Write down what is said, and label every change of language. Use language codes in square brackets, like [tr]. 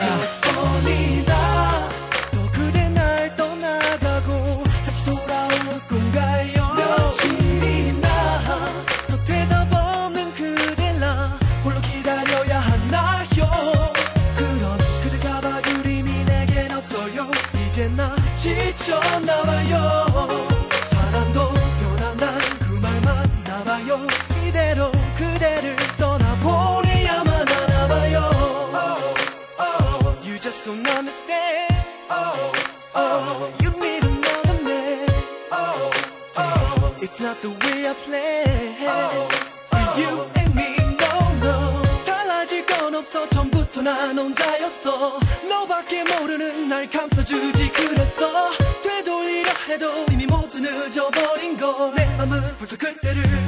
[ko] 몇 번이나 더 그대 날 떠나가고 다시 돌아올 건가요 며칠이나 더 대답 없는 그대라 홀로 기다려야 하나요 그런 그대 잡아줄 힘이 내겐 없어요 이제 나 지쳐나봐요 사람도 변한단 그 말만 남아요 이대로 그대를 떠나보내야만 하나봐요 oh, oh, oh. [en] You just don't understand oh, oh, oh. You need another man oh, oh, oh. It's not the way I play oh, oh. For you and me, no, no [ko] 달라질 건 없어 전부터 난 혼자였어 너밖에 모르는 날 감싸주지 그랬어 되돌리려 해도 이미 모두 늦어버린 걸 내 맘은 벌써 그때를